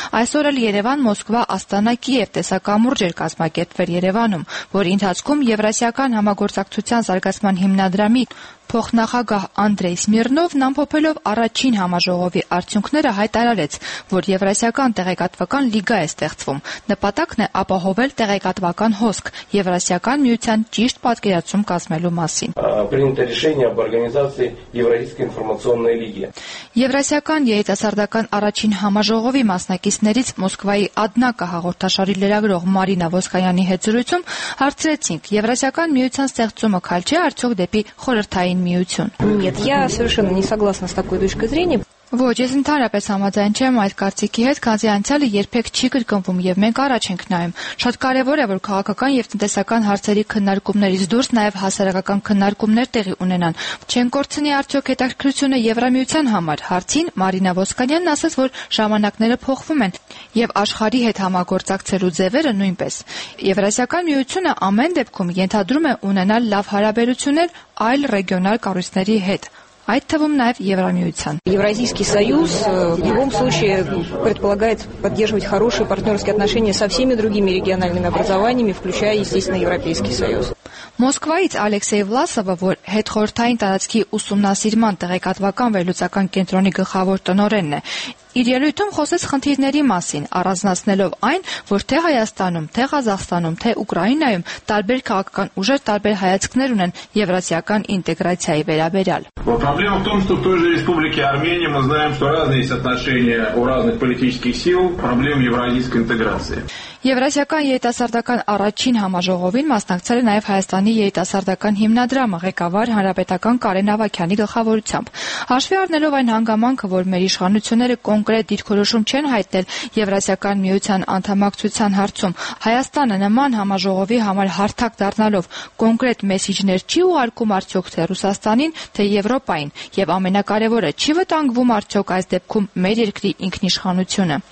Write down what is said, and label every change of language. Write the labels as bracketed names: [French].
[Armenian] Այսօր էլ Երևան, Մոսկվա, Աստանա, Կիև տեսակամուրջ էր կազմակերպվել Երևանում, որի ընթացքում Եվրասիական համագործակցության զարգացման հիմնադրամի Փոխնախագահ Անդրեյ Սմիրնովն ամփոփելով առաջին համաժողովի արդյունքները հայտարարեց, որ Եվրասիական տեղեկատվական լիգա է ստեղծվում։ Նպատակն է ապահովել տեղեկատվական հոսք Եվրասիական միության ճիշտ պատկերացում կազմելու մասին։ [Russian] Принято решение об организации Евразийской информационной лиги։ [Armenian] Եվրասիական երիտասարդական առաջին համաժողովի մասնակիցներից Մոսկվայի Ադնակա հաղորդաշարի լրագրող Մարինա Ոսկայանի հետ զրույցում հարցրեցինք. Եվրասիական միության ստեղծումը քալչի արդյոք դեպի խորհրդային միություն։ [Russian] Нет, я совершенно не согласна с такой точкой зрения։ [Armenian] Ոչ, ես ընդհանրապես համաձայն չեմ այդ կարծիքի հետ, քանի անցյալը երբեք չի կրկնվում եւ մենք առաջ ենք նայում։ Շատ կարեւոր է, որ քաղաքական եւ տնտեսական հարցերի քննարկումներից դուրս նաեւ հասարակական քննարկումներ տեղի ունենան։ Չեն կորցնի արդյոք հետաքրքրությունը Եվրամիության համար։ Հարցին Մարինա Ոսկանյանն ասաց, որ ժամանակները փոխվում են եւ աշխարհի հետ համագործակցելու ձևերը նույնպես։ Եվրասիական միությունը ամեն դեպքում ենթադրում է ունենալ լավ հարաբերություններ այլ ռեգիոնալ կառույցների հետ, այդ թվում նաև Եվրամիության։ [Russian] Евразийский союз в любом случае предполагает поддерживать хорошие партнерские отношения со всеми другими региональными образованиями, включая, естественно, Европейский союз։ [Armenian] Մոսկվայից Ալեքսեյ Վլասովը, որ հետխորհրդային տարածքի ուսումնասիրման տեղեկատվական վերլուծական կենտրոնի գլխավոր տնօրենն է, իր ելույթում խոսեց խնդիրների մասին, առանձնացնելով այն, որ թե Հայաստանում, թե Ղազախստանում, թե Ուկրաինայում տարբեր քաղաքական ուժեր տարբեր հայացքներ ունեն եվրասիական ինտեգրացիայի վերաբերյալ։ [Russian] Проблема в том, что в той же республике Армения мы знаем, что разные есть отношения у разных политических сил, проблем евразийской интеграции։ [Armenian] Եվրասիական երիտասարդական առաջին համաժողովին մասնակցել է նաև Հայաստանի երիտասարդական հիմնադրամը ղեկավար հանրապետական Կարեն Ավաքյանի գլխավորությամբ։ Հաշվի առնելով այն հանգամանքը, որ մեր իշխանությունները կոնկրետ դիրքորոշում չեն հայտնել Եվրասիական միության անդամակցության հարցում, Հայաստանը նման համաժողովի համար հարթակ դառնալով կոնկրետ մեսիջներ չի ուղարկում արդյոք թե Ռուսաստանին, թե Եվրոպային, եւ ամենակարևորը, չի վտանգվում արդյոք այս դեպքում մեր երկրի ինքնիշխանությունը։